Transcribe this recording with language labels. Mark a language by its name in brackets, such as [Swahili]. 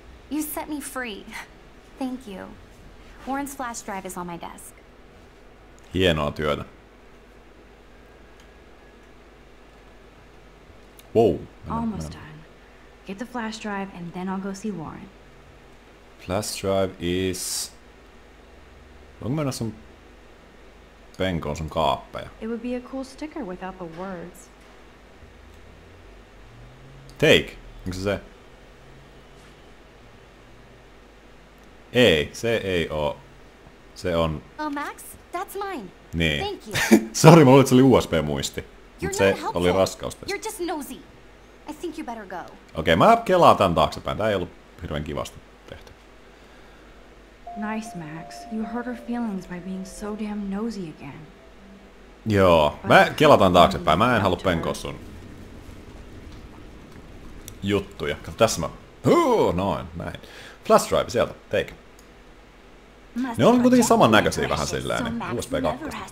[English] You set me free. Thank you. Warren's flash drive is on my desk. [Finnish] Hienoa työtä. [English] Wow. Almost done. Get the flash drive and then I'll go see Warren. Flash drive is... [Finnish] Voinko mennä sun penkoon sun kaappeja? [English] It would be a cool sticker without the words. Take. [Finnish] Onko se? Ei. Se ei oo. Se on... [English] Oh, Max? That's mine. [Finnish] Niin. [English] Thank you. [Finnish] Sorry, mä luulin, että se oli USB-muisti. oli raskaus. [English] You're just nosy. I think you better go. [Finnish] Okei, mä kelaan tän taaksepäin. Tää ei ollut hirveän kivasta tehty. [English] Nice, Max. You hurt her feelings by being so damn nosy again. [Finnish] Joo, mä kelataan taaksepäin. Mä en halua penkoa sun juttuja. Kato, tässä mä... Noin. Flash drive, sieltä. [English] Take. [Finnish] Ne on kuitenkin samannäköisiä vähän silleen, niin USB-2.